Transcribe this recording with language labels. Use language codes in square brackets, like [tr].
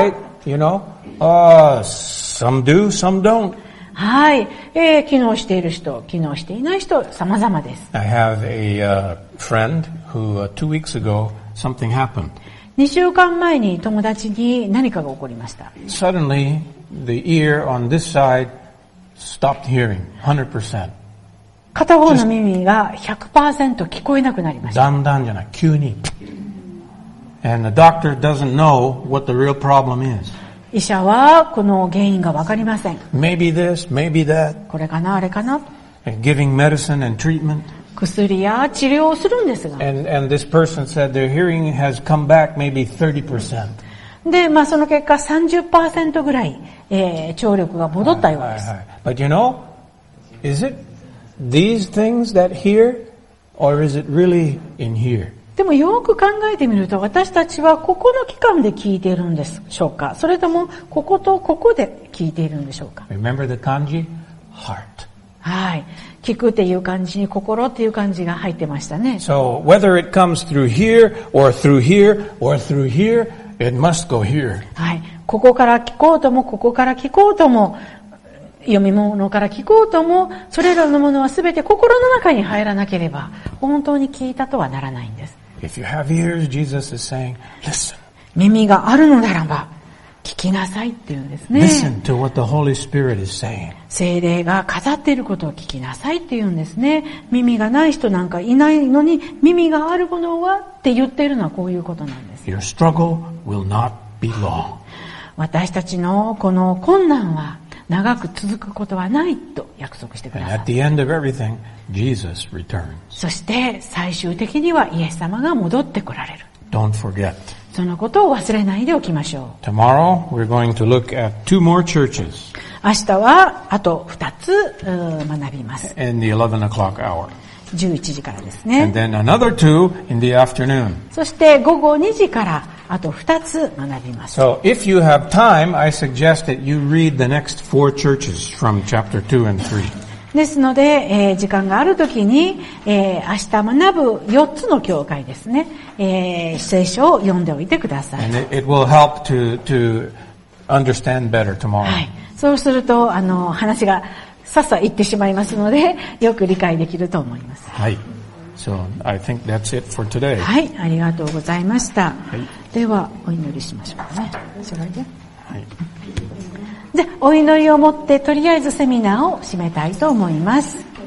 [en] Right, you know, some do, some don't. [ja] はい、機能している人、機能していない人、様々です。 [en] I have a friend who, 2 weeks ago, something happened. [ja] 2週間前に友達に何かが起こりました。 [en] Suddenly, the ear on this side stopped hearing, 100%. [ja] 片方の耳が 100% 聞こえなくなりました。だんだんじゃない、急に。 [en] And the doctor doesn't know what the real problem is. [ja] 医者はこの原因が分かりません。 [en] Maybe this, maybe that. [ja] これかな、あれかな。 [en] Giving medicine and treatment. [ja] 薬や治療をするんですが。 [en] And this person said their hearing has come back maybe 30%. [ja] で、まあその結果 30% ぐらい、聴力が戻ったようです。はいはいはい。 [en] But you know, is it these things that hear, or is it really in here? [ja] でもよく考えてみると私たちはここの器官で聞いているんでしょうか、それともこことここで聞いているんでしょうか。 [en] Remember the 漢字 heart. [ja] はい、聞くっていう漢字に心っていう漢字が入ってましたね。 [en] So whether it comes through here or through here or through here, it must go here. [ja] はい、ここから聞こうとも、ここから聞こうとも、読み物から聞こうとも、それらのものはすべて心の中に入らなければ本当に聞いたとはならないんです。 [en] If you have ears, Jesus is saying, listen. [ja] 耳があるのならば、聞きなさいっていうんですね。 [en] Listen to what the Holy Spirit is saying. [ja] 聖霊が語っていることを聞きなさいっていうんですね。耳がない人なんかいないのに、耳があるものはって言っているのはこういうことなんです。 [en] Your struggle will not be long. [ja] 私たちのこの困難は長く続くことはないと約束してください。 [en] At the end of everything, Jesus returns. [ja] そして最終的にはイエス様が戻ってこられる。 [en] Don't forget. [ja] そのことを忘れないでおきましょう。 [en] Tomorrow, we're going to look at two more churches. [ja] 明日はあと2つ学びます。 [en] In the 11 o'clock hour. [ja] 11時からですね。 [en] And then another two in the afternoon. [ja] そして午後2時からあと2つ学びます。 [en] So if you have time, I suggest that you read the next four churches from chapter 2 and 3. [ja] ですので、時間があるときに、明日学ぶ4つの教会ですね、聖書を読んでおいてください。 [en] And it will help to understand better tomorrow. [ja] はい。そうすると、話がさっさ行ってしまいますので、よく理解できると思います。 [en] はい。So, I think that's it for today. [ja] はい。ありがとうございました。はい、では、お祈りしましょうね。はい。でお祈りを持ってとりあえずセミナーを締めたいと思います。